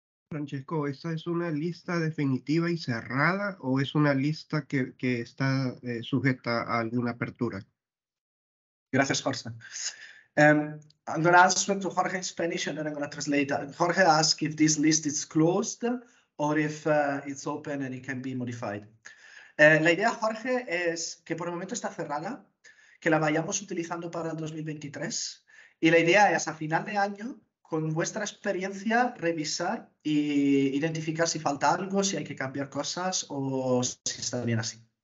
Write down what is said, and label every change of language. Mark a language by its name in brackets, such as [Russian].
[Spanish] Francesco, ¿esta es una lista definitiva y cerrada o es una lista que está sujeta a alguna apertura? Gracias, Jorge. [English] I'm going to answer to Jorge in Spanish and then I'm going to translate. Jorge asks if this list is closed or if it's open and it can be modified. [Spanish] La idea, Jorge, es que por el momento está cerrada, que la vayamos utilizando para el 2023. Y la idea es, a final de año, con vuestra experiencia, revisar e identificar si falta algo, si hay que cambiar cosas o si está bien así.